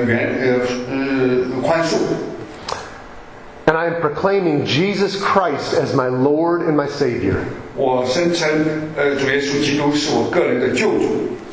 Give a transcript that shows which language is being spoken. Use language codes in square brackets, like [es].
[zh] 我请求你的恩典，请求你的宽恕。 [en] And I am proclaiming Jesus Christ as my Lord and my Savior. [zh] 我声称，主耶稣基督是我个人的救主。